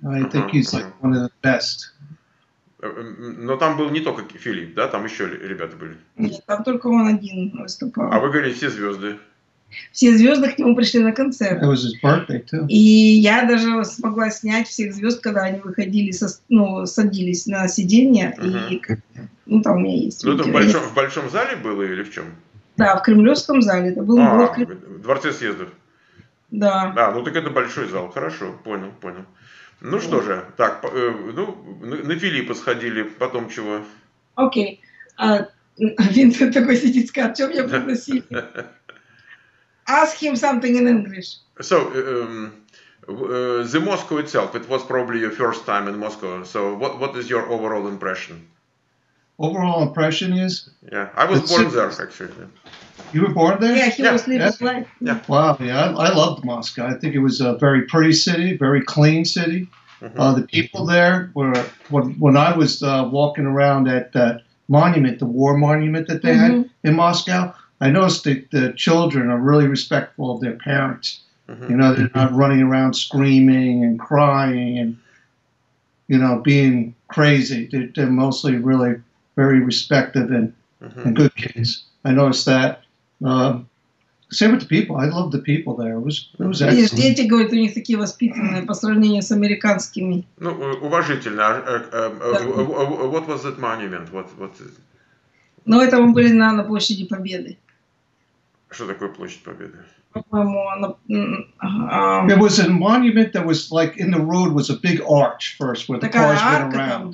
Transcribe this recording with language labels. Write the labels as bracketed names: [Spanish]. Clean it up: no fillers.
[English] I think he's like one of the best. [Russian] Но там был не только Филипп, да? Там еще ребята были. Нет, там только он один выступал. А вы говорили, все звезды. Все звезды к нему пришли на концерт. [English] It was his birthday too. [Russian] И я даже смогла снять всех звезд, когда они выходили, со, ну, садились на сиденье. Ну, там у меня есть. Ну, это в большом зале было или в чем? Да, в Кремлевском зале. Это было, было в Кремлевском. Дворце съездов. Да. А, ну так это большой зал. Хорошо, понял, понял. Ну что же, так, ну, на Филиппа сходили, потом чего? Окей. Винсент такой сидит, скажет, что меня пригласили? [English] Ask him something in English. So, the Moscow itself, it was probably your first time in Moscow. So, what is your overall impression? Overall impression is? Yeah, I was born there, actually. You were born there? Yeah, he was living his life. Yeah. Wow, yeah, I loved Moscow. I think it was a very pretty city, very clean city. Mm-hmm. The people there were, when I was walking around at that monument, the war monument that they had in Moscow, I noticed that the children are really respectful of their parents. You know, they're not running around screaming and crying and, you know, being crazy. They're mostly really very respective and good kids. I noticed that. Same with the people. I love the people there. It was excellent. [Russian] Дети говорят, у них такие воспитанные по сравнению с американскими. Ну, уважительно. [English] What was that monument? [Russian] Ну, это мы были на площади Победы. Что такое площадь Победы? По-моему, [English] It was a monument that was like in the road was a big arch first where the cars went around.